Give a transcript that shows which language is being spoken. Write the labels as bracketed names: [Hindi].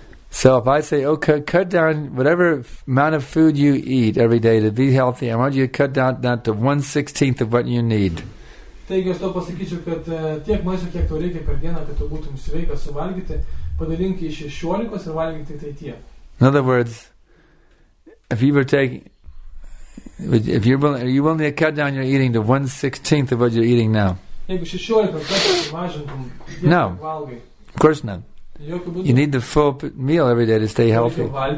[English] So if I say, okay, cut down whatever amount of food you eat every day to be healthy, I want you to cut down that to 1/16 of what you need. [Lithuanian] Taigi aš to pasakyčiau, kad tiek maisto, kiek tau reikia per dieną, kad tu būtum sveikas suvalgyti, padalink iš 16 ir valgyk tik tai tiek. [English] In other words, if you were taking, if you're willing, are you willing to cut down your eating to 1/16 of what you're eating now? [Lithuanian] Jeigu 16 kartų sumažintum, [English] no, of course not. You need the full meal every day to stay healthy.